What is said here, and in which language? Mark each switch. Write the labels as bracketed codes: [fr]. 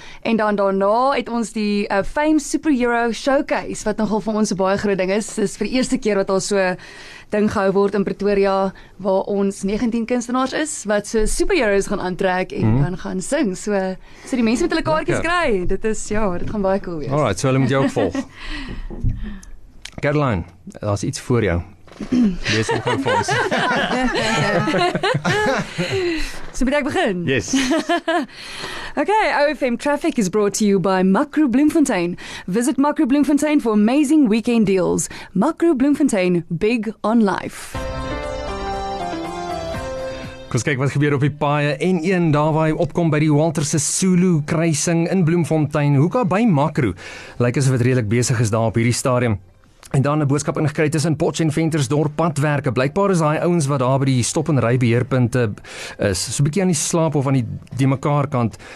[af] En dan daarna het ons die Fame Superhero Showcase wat nogal vir ons 'n baie groot ding is. Dis vir die eerste keer wat al so ding gehou word in Pretoria waar ons 19 kunstenaars is wat so superheroes gaan aantrek en dan gaan sing. So die mense met hulle kaartjies kry. Dit is ja, dit gaan baie cool wees. Alright, so hulle moet jou volg. Caroline, daar is iets voor jou. Lees hom gaan voor. So moet ek begin? [en] Yes. Okay, OFM Traffic is brought to you by Makro Bloemfontein. Visit Makro Bloemfontein for amazing weekend deals. Makro Bloemfontein, big on life. [af] Kom kyk wat gebeur op die paaie N1 daar waar hy opkom by die Walter Sisulu kruising in Bloemfontein. Hoe kan by Makro? Lyk asof dit redelik besig is daar op hierdie stadium. En dan 'n boodskap ingekry tussen Potchefstroom padwerke. Blykbaar is daai ouens wat daar by die stop en ry beheerpunte is, so 'n bietjie aan die slaap of aan die mekaar kant.